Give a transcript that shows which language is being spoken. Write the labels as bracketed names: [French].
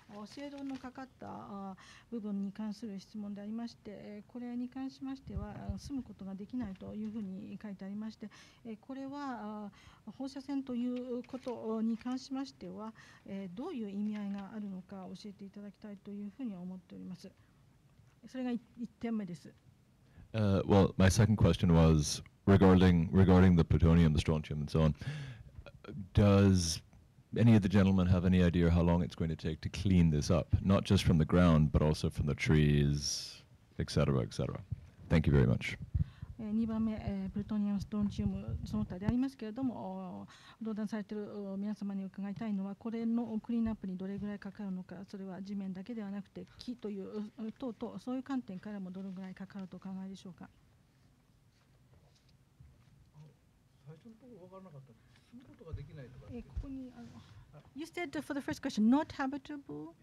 [Japanese] 正論のかかった部分に関する質問でありまして、これに関しましては、住むことができないというふうに書いてありまして、これは放射線ということに関しましては、どういう意味合いがあるのか教えていただきたいというふうに思っております。それが1点目です。 [English] Well, my second question was regarding the plutonium, the strontium, and so on. Does any of the gentlemen have any idea how long it's going to take to clean this up, not just from the ground, but also from the trees, etc., etc.? Thank you very much. [Japanese] 2番目、プルトニウム、ストロンチウム、その他でありますけれども、同壇されている皆様に伺いたいのは、これのクリーンアップにどれぐらいかかるのか、それは地面だけではなくて、木という、等々、そういう観点からもどれぐらいかかるとお考えでしょうか。最初のところ分からなかった。住むことができないとか。ここに、 [English] You said for the first question, not habitable?